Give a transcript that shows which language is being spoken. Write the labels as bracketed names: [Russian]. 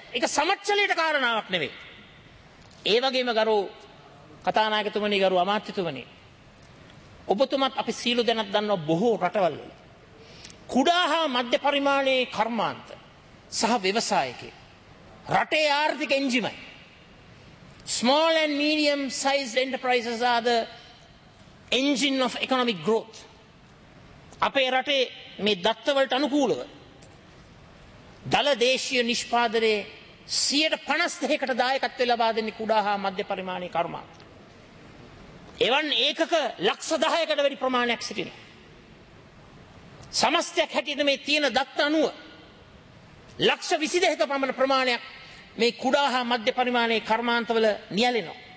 [Sinhala] ඒක සමච්චලයට කාරණාවක් නෙවෙයි. ඒ වගේම ගරු කතානායකතුමනි, ගරු අමාත්‍යතුමනි, ඔබතුමත් අපි සීලු දෙනක් දන්නවා බොහෝ රටවල් වල කුඩා හා මධ්‍ය පරිමාණයේ කර්මාන්ත සහ ව්‍යවසායකේ රටේ ආර්ථික එන්ජිමයි. [English] Small and medium sized enterprises are the engine of economic growth. [Sinhala] අපේ රටේ මේ දත්තවලට අනුකූලව දල දේශීය නිෂ්පාදනයේ 52%කට දායකත්ව ලබා දෙන්නේ කුඩා හා මධ්‍ය පරිමාණයේ කර්මාන්ත. එවන් ඒකක 110%කට වැඩි ප්‍රමාණයක් සිටිනවා. සමස්තයක් හැටියට මේ තියෙන දත්ත 90 122ක පමණ ප්‍රමාණයක් මේ කුඩා හා මධ්‍ය පරිමාණයේ කර්මාන්තවල නියැලෙනවා.